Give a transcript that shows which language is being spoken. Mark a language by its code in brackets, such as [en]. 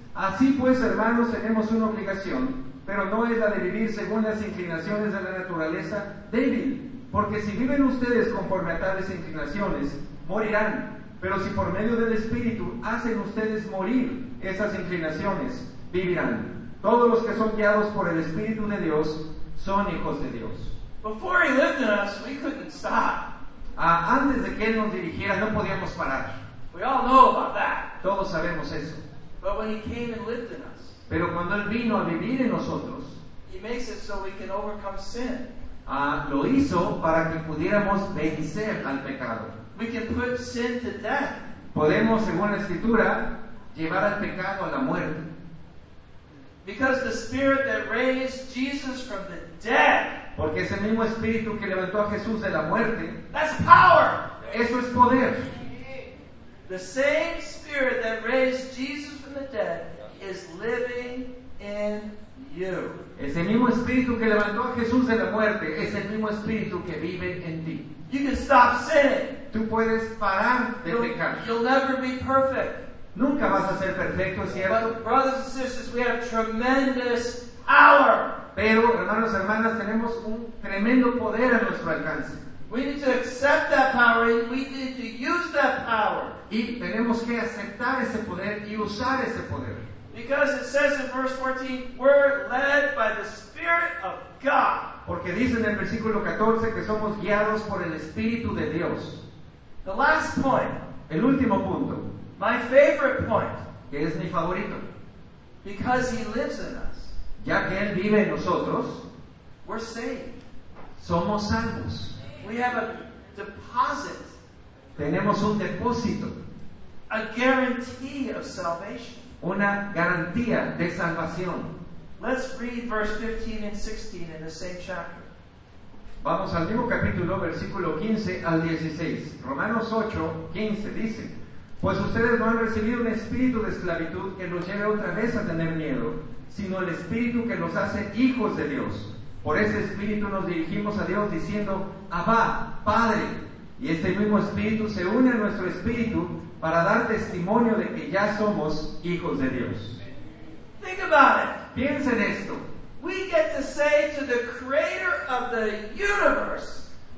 [es] Así pues, hermanos, tenemos una obligación, pero no es la de vivir según las inclinaciones de la naturaleza débil, porque si viven ustedes conforme a tales inclinaciones, morirán. Pero si por medio del Espíritu hacen ustedes morir esas inclinaciones, vivirán. Todos los que son guiados por el Espíritu de Dios son hijos de Dios. [en] Before he lived in us, we couldn't stop. [es] Antes de que Él nos dirigiera, no podíamos parar. [en] We all know about that. [es] Todos sabemos eso. [en] But when he came and lived in us, [es] pero cuando Él vino a vivir en nosotros, [en] he makes it so we can overcome sin. [es] Lo hizo para que pudiéramos vencer al pecado. [en] We can put sin to death. [es] Podemos, según la Escritura, llevar al pecado a la muerte. [en] Because the Spirit that raised Jesus from the dead, [es] porque ese mismo Espíritu que levantó a Jesús de la muerte, [en] that's power. [es] Eso es poder. [en] The same Spirit that raised Jesus from the dead is living in you. [es] Ese mismo Espíritu que levantó a Jesús de la muerte es el mismo Espíritu que vive en ti. [en] You can stop sinning. [es] Tú puedes parar de pecar. [en] You'll never be perfect. [es] Nunca vas a ser perfecto, ¿cierto? [en] But brothers and sisters, we have tremendous power. [es] Pero, hermanos y hermanas, tenemos un tremendo poder a nuestro alcance. [en] We need to accept that power and we need to use that power. [es] Y tenemos que aceptar ese poder y usar ese poder. [en] Because it says in verse 14, we're led by the Spirit of God. [es] Porque dice en el versículo 14 que somos guiados por el Espíritu de Dios. [en] The last point. [es] El último punto. [en] My favorite point. [es] Que es mi favorito. [en] Because he lives in us. [es] Ya que él vive en nosotros. [en] We're saved. [es] Somos salvos. [en] We have a deposit. [es] Tenemos un depósito. [en] A guarantee of salvation. [es] Una garantía de salvación. [en] Let's read verse 15 and 16 in the same chapter. [es] Vamos al mismo capítulo, versículo 15 al 16. Romanos 8, 15 dice, pues ustedes no han recibido un espíritu de esclavitud que los lleve otra vez a tener miedo, sino el espíritu que los hace hijos de Dios. Por ese espíritu nos dirigimos a Dios diciendo, Abba, Padre. Y este mismo espíritu se une a nuestro espíritu para dar testimonio de que ya somos hijos de Dios. [en] Think about it. [es] Piensa en esto. [en] We get to say to the creator of the universe,